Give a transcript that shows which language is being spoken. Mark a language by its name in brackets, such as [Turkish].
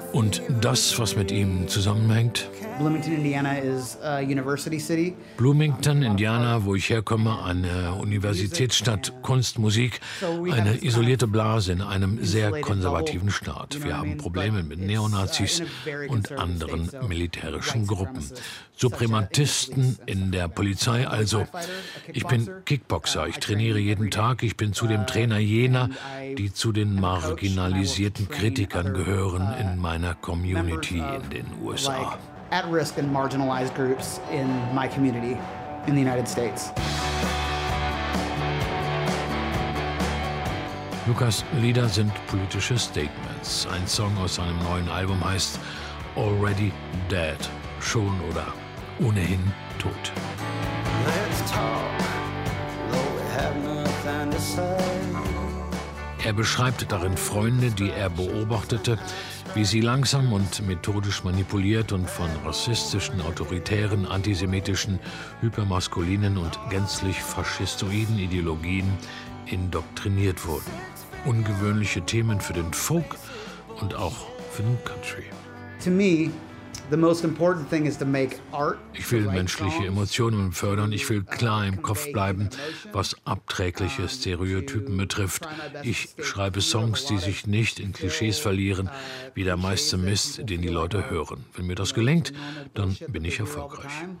[German] Und das, was mit ihm zusammenhängt. [English] Bloomington, Indiana is a university city. [German] Bloomington, Indiana, wo ich herkomme, eine Universitätsstadt, Kunst, Musik, eine isolierte Blase in einem sehr konservativen Staat. Wir haben Probleme mit Neonazis und anderen militärischen Gruppen. Suprematisten in der Polizei, also ich bin Kickboxer, ich trainiere jeden Tag, ich bin zudem Trainer jener, die zu den marginalisierten Kritikern gehören in meiner Community in den USA. [English] At risk and marginalized groups in my community in the United States. [German] Lucas' Lieder sind politische Statements. Ein Song aus seinem neuen Album heißt Already Dead, schon oder ohnehin tot. [English] Let's talk, though we have nothing to say. [German] Er beschreibt darin Freunde, die er beobachtete, wie sie langsam und methodisch manipuliert und von rassistischen, autoritären, antisemitischen, hypermaskulinen und gänzlich faschistoiden Ideologien indoktriniert wurden. Ungewöhnliche Themen für den Folk und auch für den Country. [English] To me, the most important thing is to make art. [German] Ich will menschliche Emotionen fördern. Ich will klar im Kopf bleiben, was abträgliche Stereotypen betrifft. Ich schreibe Songs, die sich nicht in Klischees verlieren, wie der meiste Mist, den die Leute hören. Wenn mir das gelingt, dann bin ich erfolgreich.